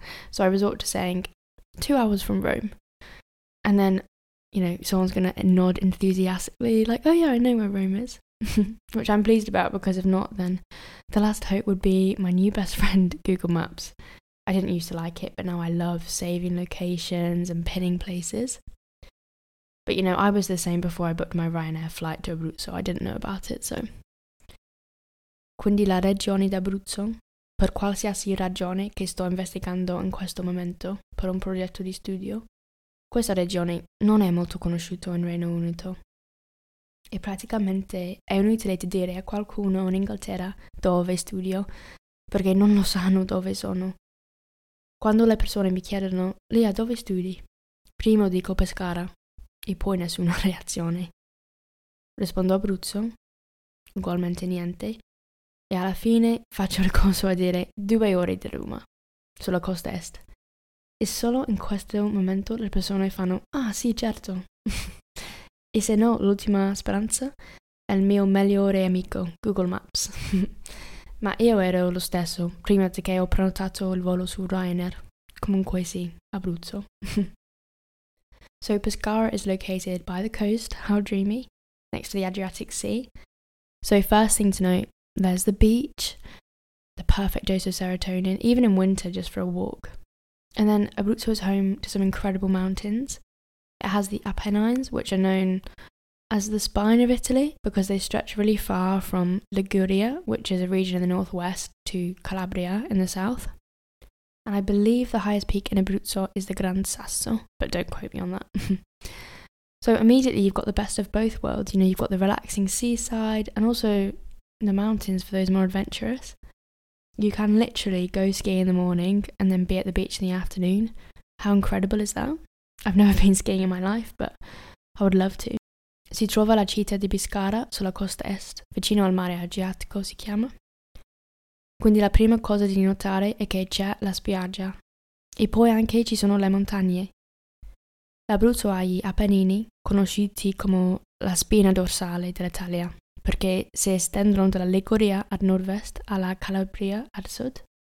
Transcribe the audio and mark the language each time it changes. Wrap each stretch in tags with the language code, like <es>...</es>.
<en>So I resort to saying 2 hours from Rome. And then, you know, someone's going to nod enthusiastically like, oh yeah, I know where Rome is, which I'm pleased about because if not, then the last hope would be my new best friend, Google Maps. I didn't used to like it, but now I love saving locations and pinning places. But you know, I was the same before I booked my Ryanair flight to Abruzzo, I didn't know about it, so.</en> <it>Quindi la regione d'Abruzzo, per qualsiasi ragione che sto investigando in questo momento, per un progetto di studio, Questa regione non è molto conosciuta in Regno Unito. E praticamente è inutile dire a qualcuno in Inghilterra dove studio, perché non lo sanno dove sono. Quando le persone mi chiedono, Lia, dove studi? Prima dico Pescara, e poi nessuna reazione. Rispondo Abruzzo, ugualmente niente, e alla fine faccio il corso a dire 2 ore di Roma, sulla costa est. E solo in questo momento le persone fanno, ah sì, certo. E se no, l'ultima speranza è il mio migliore amico, Google Maps. Ma io ero lo stesso, prima di che ho prenotato il volo su Ryanair. Comunque sì, Abruzzo.</it> <en>So Pescara is located by the coast, how dreamy, next to the Adriatic Sea. So first thing to note, there's the beach, the perfect dose of serotonin, even in winter just for a walk. And then Abruzzo is home to some incredible mountains. It has the Apennines, which are known as the spine of Italy because they stretch really far from Liguria, which is a region in the northwest, to Calabria in the south. And I believe the highest peak in Abruzzo is the Gran Sasso, but don't quote me on that. So immediately you've got the best of both worlds. You know, you've got the relaxing seaside and also the mountains for those more adventurous. You can literally go ski in the morning and then be at the beach in the afternoon. How incredible is that? I've never been skiing in my life, but I would love to.</en> <it>Si trova la città di Pescara sulla costa est, vicino al mare Adriatico si chiama. Quindi la prima cosa da notare è che c'è la spiaggia. E poi anche ci sono le montagne. L'Abruzzo ha gli Appennini, conosciuti come la spina dorsale dell'Italia, perché si estendono dalla Liguria ad nord-est alla Calabria ad sud.</it>